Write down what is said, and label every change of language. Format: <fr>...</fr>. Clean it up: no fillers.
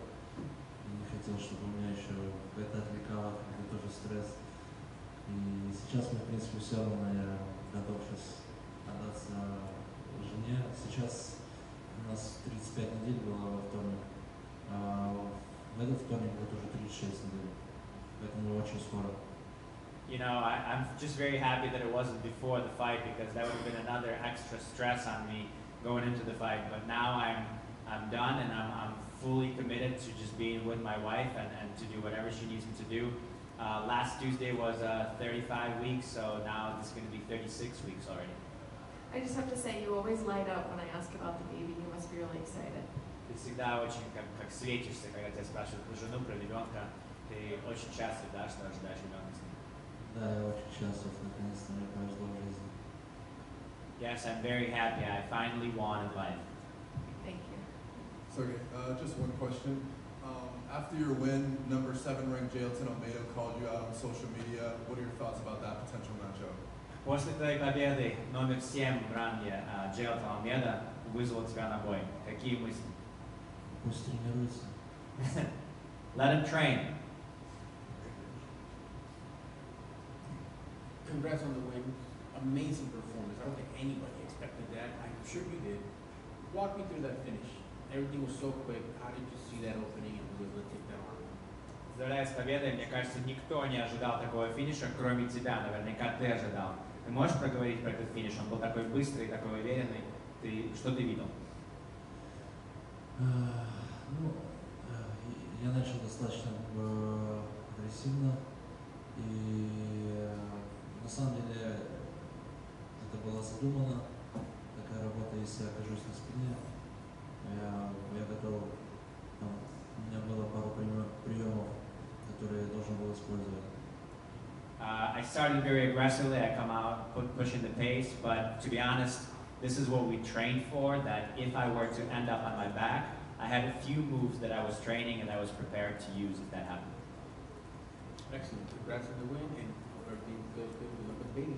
<ru>И не хотел, чтобы у меня еще это отвлекало, это тоже стресс. И сейчас мне, в принципе, все равно, я готов сейчас отдаться жене. Сейчас у нас 35 недель было во вторник, а в этот вторник будет уже 36 недель, поэтому очень скоро.</ru> <en>You know, I'm just very happy that it wasn't before the fight, because that would have been another extra stress on me going into the fight. But now I'm done, and I'm fully committed to just being with my wife and to do whatever she needs me to do. Last Tuesday was 35 weeks, so now it's going to be 36 weeks already. I just have to say, you always light up when I ask about the baby. You must be really excited.</en> <ru>Ты всегда очень как светишься, когда тебя спрашивают про жену, про ребенка. Ты очень часто, да, что ожидаешь ребенка. Да, я очень счастлив, наконец-то мне повезло в жизни.</ru> <en>Yes, I'm very happy. I finally won in life. Thank you. Sergey, just one question. After your win, number 7 ranked Jailton Almeida called you out on social media. What are your thoughts about that potential matchup?</en> <ru>После твоей победы, номер 7 в ранге Jailton Almeida вызвал тебя на бой. Какие мысли? Пусть тренируется.</ru> <en>Let him train. Congrats on the win. Amazing performance. I don't think anybody expected that. I'm sure you did. Walk me through that finish. Everything was so quick. How did you see that opening and who was able to take that arm?</en> <ru>Здравия с победой. Мне кажется, никто не ожидал такого финиша, кроме тебя. Наверняка ты ожидал. Ты можешь проговорить про этот финиш? Он был такой быстрый, такой уверенный. Ты что ты видел? Ну, я начал достаточно агрессивно. И на самом деле это было задумано, такая работа, если я окажусь на спине. Я готов, там, у меня было пару приемов, которые я должен был использовать.</ru> <en>I started very aggressively, I come out pushing the pace, but to be honest, this is what we trained for, that if I were to end up on my back, I had a few moves that I was training and I was prepared to use if that happened. Excellent, congrats on the win, and everything goes good.</en>